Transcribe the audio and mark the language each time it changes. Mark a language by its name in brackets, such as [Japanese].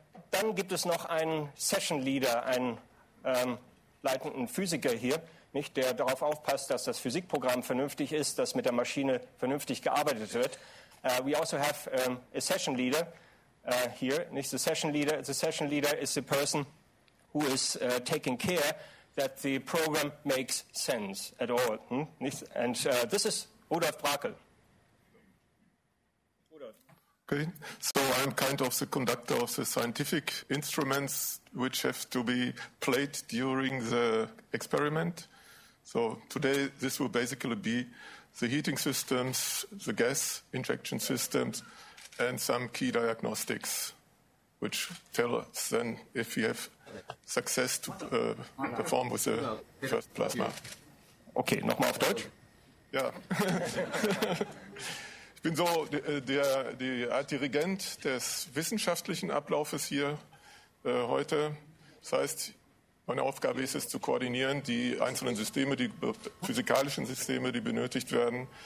[German] Dann gibt es noch einen Session Leader, einen leitenden Physiker hier, nicht, der darauf aufpasst, dass das Physikprogramm vernünftig ist, dass mit der Maschine vernünftig gearbeitet wird. [English] We also have a Session Leader here. Nicht, the Session Leader is the person who is taking care that the program makes sense at all. Nicht, and this is Rudolf Brakel. Okay, so I'm kind of the conductor of the scientific instruments which have to be played during the experiment. So today this will basically be the heating systems, the gas injection systems, and some key diagnostics, which tell us then if we have success to perform with the first plasma. [German] Okay, nochmal auf Deutsch. Ja. Ich bin so der Dirigent des wissenschaftlichen Ablaufes hier heute. Das heißt, meine Aufgabe ist es, zu koordinieren die einzelnen Systeme, die physikalischen Systeme, die benötigt werden.